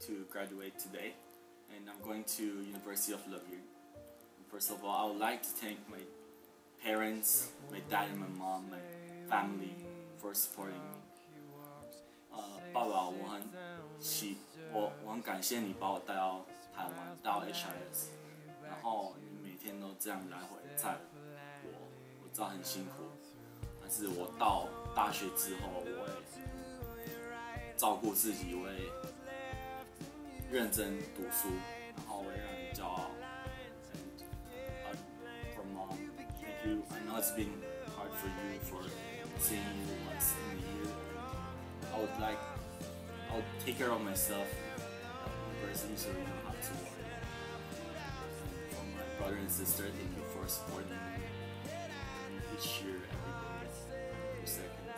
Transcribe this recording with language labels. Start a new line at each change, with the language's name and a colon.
English: Graduate today, and I'm going to University of Louvain. First of all, I would like to thank my parents, my dad and my mom, my family for supporting me.
Chinese: 爸爸，我很感谢你把我带到台湾，到 HIS， 然后你每天都这样来回载我，我知道很辛苦，但是我到大学之后，我会照顾自己，我会认真读书，然后我也让你骄傲。
English: And for mom, thank you. I know it's been hard for you for seeing you once in a year. I'll take care of myself personally so you don't have to worry. For my brother and sister, thank you for supporting me each year, every day, every second.